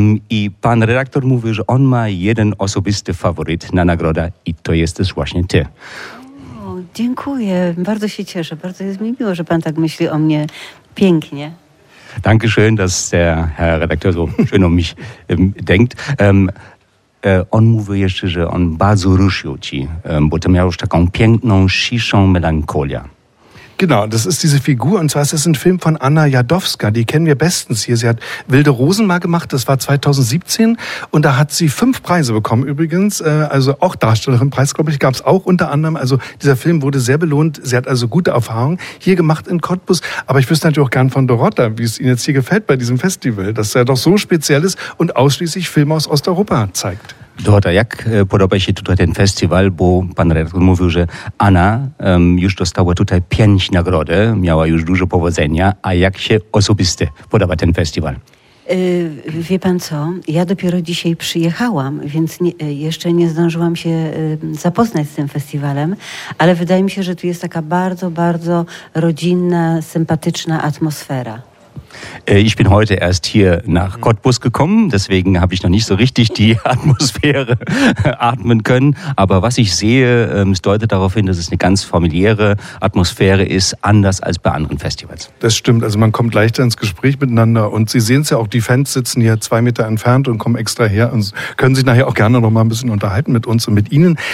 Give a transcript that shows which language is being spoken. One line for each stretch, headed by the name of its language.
Polish: I pan redaktor mówi, że on ma jeden osobisty faworyt na nagrodę i to jesteś właśnie ty. Dziękuję. Bardzo się cieszę. Bardzo jest mi miło, że pan tak myśli o mnie pięknie.
German: Dankeschön, dass der Herr Redakteur so schön um mich denkt.
Polish: On mówi jeszcze, że on bardzo ruszył ci, bo to miał już taką piękną, ciszą melancholię.
German: Genau, das ist diese Figur, und zwar ist es ein Film von Anna Jadowska, die kennen wir bestens hier. Sie hat Wilde Rosen mal gemacht, das war 2017, und da hat sie 5 Preise bekommen übrigens, also auch Darstellerinpreis, glaube ich, gab es auch unter anderem. Also dieser Film wurde sehr belohnt, sie hat also gute Erfahrungen hier gemacht in Cottbus. Aber ich wüsste natürlich auch gern von Dorota, wie es Ihnen jetzt hier gefällt bei diesem Festival, dass er doch so speziell ist und ausschließlich Filme aus Osteuropa zeigt.
Polish: Dorota, jak podoba się tutaj ten festiwal, bo pan redaktor mówił, że Anna już dostała tutaj 5 nagrod, miała już dużo powodzenia, a jak się osobiście podoba ten festiwal? Wie pan co, ja dopiero dzisiaj przyjechałam, więc jeszcze nie zdążyłam się zapoznać z tym festiwalem, ale wydaje mi się, że tu jest taka bardzo, bardzo rodzinna, sympatyczna atmosfera.
German: Ich bin heute erst hier nach Cottbus gekommen, deswegen habe ich noch nicht so richtig die Atmosphäre atmen können. Aber was ich sehe, es deutet darauf hin, dass es eine ganz familiäre Atmosphäre ist, anders als bei anderen Festivals. Das stimmt, also man kommt leichter ins Gespräch miteinander. Und Sie sehen es ja auch, die Fans sitzen hier 2 Meter entfernt und kommen extra her und können sich nachher auch gerne noch mal ein bisschen unterhalten mit uns und mit Ihnen.